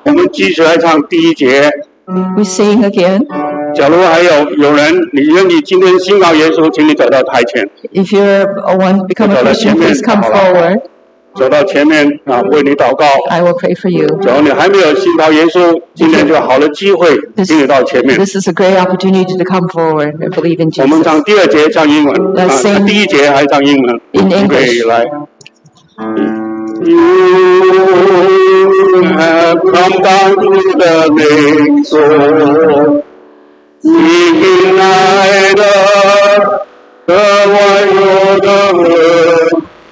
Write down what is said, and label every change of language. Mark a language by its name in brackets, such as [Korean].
[Chinese] 继续来唱第一节。 [English] We sing again. [Chinese] 假如还有有人，你愿意今天信靠耶稣，请你走到台前。 [English] If you want to become a Christian, please come forward. [Chinese] 走到前面啊，为你祷告。 [English] I will pray for you. [Chinese] 假如你还没有信靠耶稣，今天就好的机会，请你到前面。 [English] This is a great opportunity to come forward and believe in Jesus. [Chinese] 我们唱第二节唱英文。 [English] Let's sing. [Chinese] 第一节还唱英文。 [English] In English. [Chinese] 来。 [English] You have come down to the nation, seeking neither the wine nor the herb.